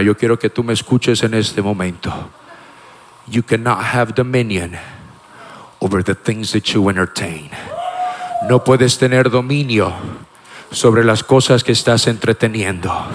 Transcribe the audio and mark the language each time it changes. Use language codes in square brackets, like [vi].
[es] Yo quiero que tú me escuches en este momento. [en] You cannot have dominion over the things that you entertain. [es] No puedes tener dominio sobre las cosas que estás entreteniendo.